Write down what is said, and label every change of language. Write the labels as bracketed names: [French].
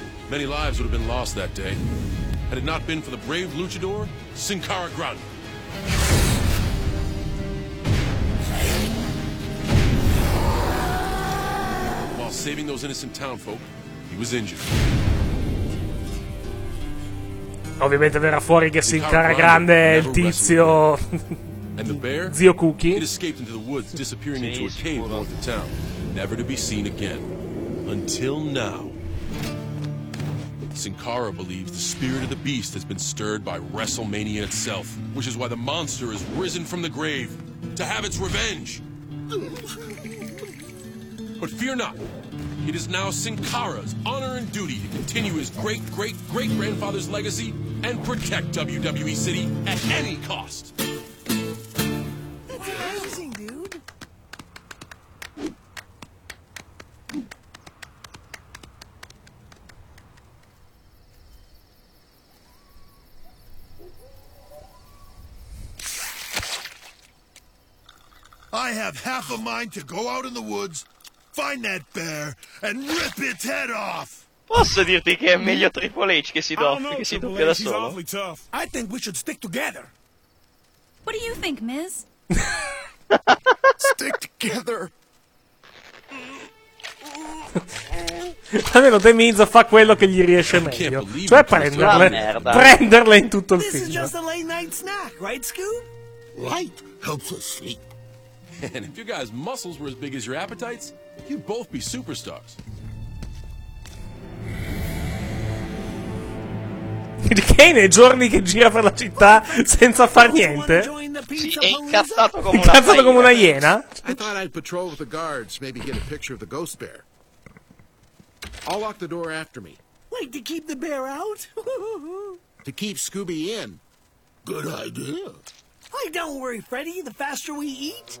[English] Many lives would have been lost that day had it not been for the brave luchador Sin Cara Grande. While saving those innocent town folk, he was injured. [Italian] Ovviamente verrà fuori che Sin Cara Grande è il tizio zio Cookie. [English] It escaped into the woods, disappearing into a cave north of town, never to be seen again until now. Sin Cara believes the spirit of the beast has been stirred by WrestleMania itself, which is why the monster has risen from the grave to have its revenge. But fear not. It is now Sin Cara's honor and duty to continue his great-great-great-grandfather's legacy and protect WWE City at any cost. That's amazing, dude. I have half a mind to go out in the woods, find that bear and rip its head off. [Italian] Posso dirti che è meglio Triple H che si doppia, che si doppia da solo. [English] I think we should stick together. What do you think, Miz? Stick together. [Italian] Almeno The Miz fa quello che gli riesce meglio, cioè prenderle in tutto il film. [English] This is just a late night snack, right, Scoop? Light helps us sleep. And if your guys' muscles were as big as your appetites, you'd both be superstars. [Italian] Il Kane è giorni che gira per la città senza far niente. Sì, è incazzato come una iena. [English] I thought I'd patrol with the guards, maybe get a picture of the ghost bear. I'll lock the door after me. Wait, to keep the bear out? To keep Scooby in. Good idea. Why, don't worry, Freddy. The faster we eat,